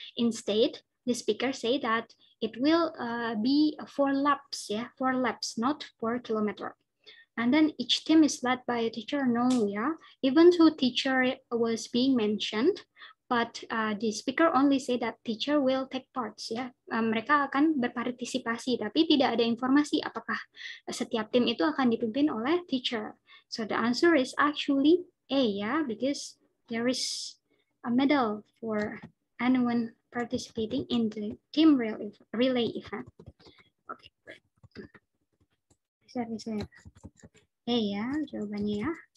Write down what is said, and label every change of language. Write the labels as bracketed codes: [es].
[en] Instead, the speaker say that it will be 4 laps, yeah, 4 laps, not 4 kilometers. And then each team is led by a teacher. No, yeah, even though teacher was being mentioned, but the speaker only say that teacher will take parts, ya. [id] Mereka akan berpartisipasi, tapi tidak ada informasi apakah setiap tim itu akan dipimpin oleh teacher. [en] So the answer is actually A, ya, yeah, because there is a medal for anyone participating in the team relay event. [id] Okay, bisa. A, ya, yeah, jawabannya, ya.